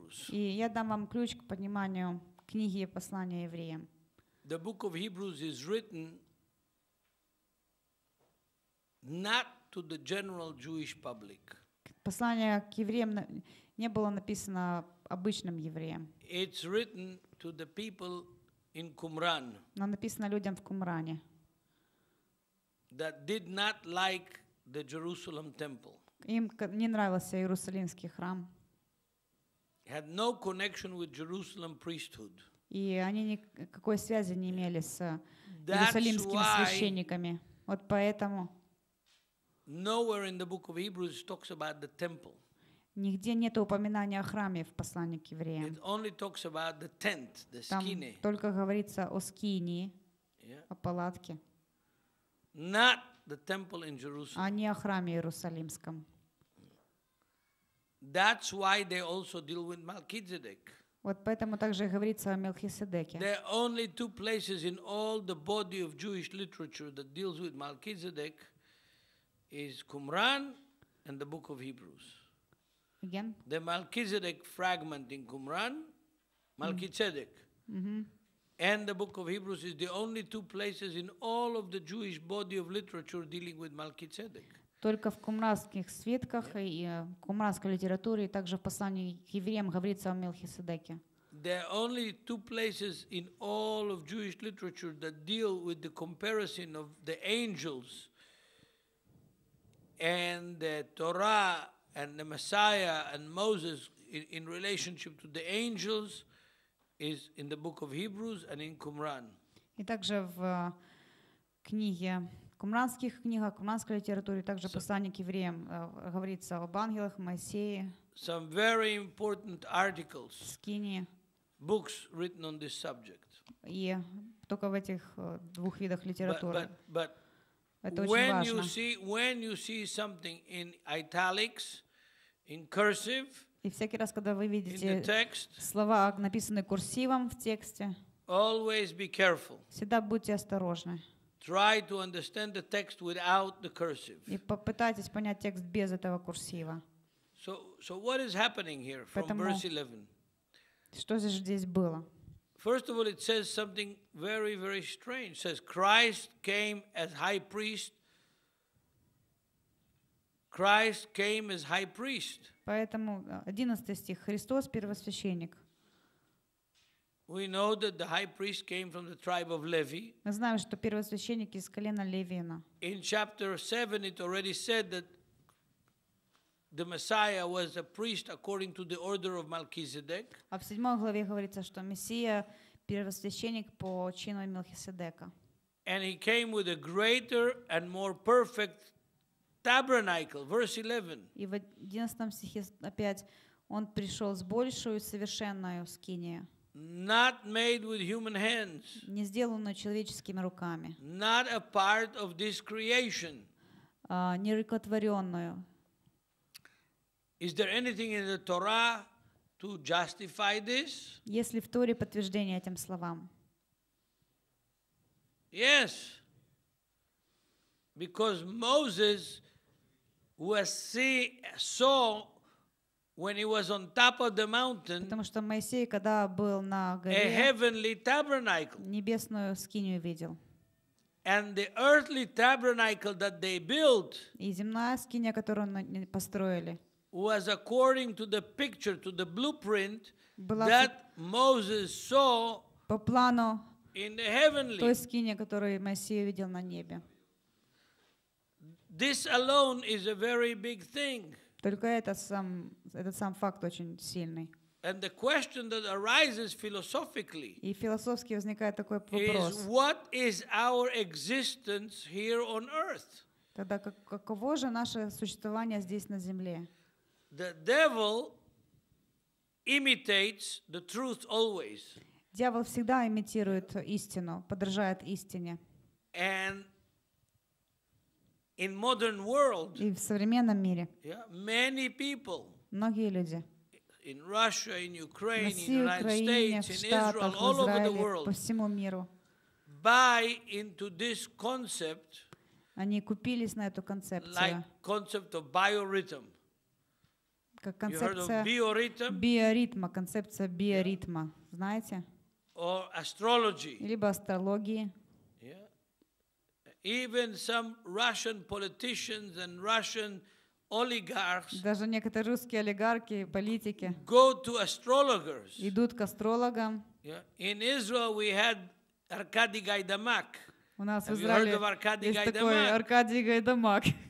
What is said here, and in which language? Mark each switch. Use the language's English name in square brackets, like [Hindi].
[Russian] И я дам вам ключ к пониманию книги и послания евреям. [English] The book of Hebrews is written not to the general Jewish public. [Russian] Послание к евреям не было написано обычным евреям. [English] It's written to the people in Qumran. [Russian] Но написано людям в Кумране. [English] That did not like the Jerusalem temple. [Russian] Им не нравился Иерусалимский храм. [English] Had no connection with Jerusalem priesthood. [Russian] И они никакой связи не имели с Иерусалимскими священниками. Вот поэтому. [English] Nowhere in the book of Hebrews talks about the temple. [Russian] Нигде нет упоминания о храме в послании к евреям. [English] It only talks about the tent, the skini. [Russian] Там только говорится о скинии, yeah. О палатке. [English] Not the temple in Jerusalem. [Russian] А не о храме Иерусалимском. [English] That's why they also deal with Melchizedek. [Russian] Вот поэтому также говорится о Мелхиседеке. [English] There are only two places in all the body of Jewish literature that deals with Melchizedek is Qumran and the book of Hebrews. Again. The Melchizedek fragment in Qumran, Melchizedek, and the book of Hebrews is the only two places in all of the Jewish body of literature dealing with Melchizedek. [Russian] Только в кумранских свитках и кумранской литературе, и также в послании к евреям говорится о Мелхиседеке. [English] There are only two places in all of Jewish literature that deal with the comparison of the angels and the Torah and the Messiah and Moses in relationship to the angels is in the book of Hebrews and in Qumran. [Russian] И также в книге кумранских книгах, кумранской литературе, также послание к евреям говорится об ангелах, Моисее. [English] Some very important articles. [Russian] Скинии. [English] Books written on this subject. [Russian] И только в этих двух видах литературы. [English] But when you see something in italics, in cursive, [Russian] и всякий раз, когда вы видите слова, написанные курсивом в тексте, [English] always be careful. [Russian] Всегда будьте осторожны. [English] Try to understand the text without the cursive. [Russian] И попытайтесь понять текст без этого курсива. [English] So what is happening here from verse 11? [Russian] Что же здесь было? [English] First of all, it says something very, very strange. It says Christ came as high priest. Christ came as high priest. [Russian] Поэтому 11 стих. Христос первосвященник. [English] We know that the high priest came from the tribe of Levi. [Russian] Мы знаем, что первосвященник из колена Левина. [English] In chapter 7 it already said that the Messiah was a priest according to the order of Melchizedek. [Russian] А в 7 главе говорится, что Мессия первосвященник по чину Мелхиседека. [English] And he came with a greater and more perfect tabernacle, verse 11. [Russian] И в 11 стихе опять Он пришел с большую совершенную скинию. [English] Not made with human hands. [Russian] Не сделано человеческими руками. [English] Not a part of this creation. [Russian] Нерукотворенную. [English] Is there anything in the Torah to justify this? [Russian] Есть ли в Торе подтверждение этим словам? [English] Yes. Because Moses was saw when he was on top of the mountain, [Russian] потому что Моисей, когда был на горе, [English] a heavenly tabernacle, [Russian] небесную скинию видел, [English] and the earthly tabernacle that they built, [Russian] и земная скиния, которую они построили, [English] was according to the picture, to the blueprint that Moses saw [Russian] по плану [English] in the heavenly, [Russian] той скинии, которую Моисей видел на небе. [English] This alone is a very big thing. [Russian] Только этот сам факт очень сильный. [English] And the question that arises philosophically. [Russian] И философски возникает такой вопрос. [English] Is what is our existence here on earth? [Russian] Тогда каково же наше существование здесь на земле? [English] The devil imitates the truth always. [Russian] Дьявол всегда имитирует истину, подражает истине. [English] And in modern world, [Russian] и в современном мире, [English] yeah, many people, [Russian] многие люди, [English] in Russia, in Ukraine, [Russian] в России, [English] in Украине, United States, [Russian] в Штатах, [English] in Israel, [Russian] Израиле, [English] all over the world, [Russian] по всему миру, [English] buy into this concept, [Russian] они купились на эту концепцию, [English] like concept of biorhythm. [Russian] Как концепция биоритм, биоритма, концепция биоритма, yeah. Знаете? [English] Or astrology. [Russian] Либо астрологии. [English] Even some Russian politicians and Russian oligarchs, [Russian] даже некоторые русские олигархи, политики, [English] go to astrologers. [Russian] Идут к астрологам. [English] Yeah. In Israel we had Arkady Gaidamak. [Russian] У нас в Израиле есть такой Аркадий Гайдамак.